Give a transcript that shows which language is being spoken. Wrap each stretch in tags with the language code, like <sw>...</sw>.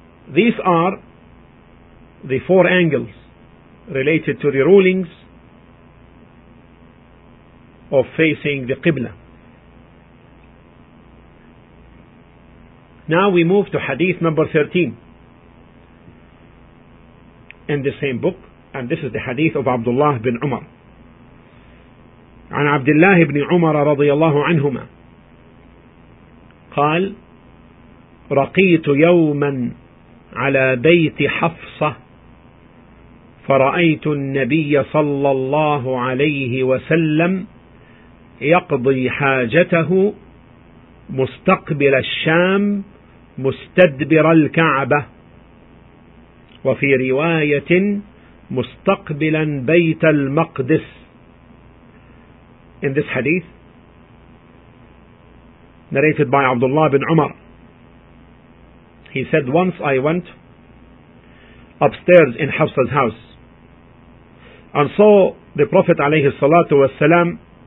<en>These are the four angles related to the rulings of facing the qibla. Now we move to hadith number 13 in the same book, and this is the hadith of Abdullah bin Umar.</en> <ar>عن عبد الله بن عمر رضي الله عنهما قال رقيت يوما على بيت حفصة فرأيت النبي صلى الله عليه وسلم يقضي حاجته مستقبل الشام مستدبر الكعبة وفي رواية مستقبلا بيت المقدس.</ar> <en>In this hadith narrated by Abdullah bin Umar, he said, once I went upstairs in Hafsa's house and saw the Prophet alayhi salatu wasalam</en>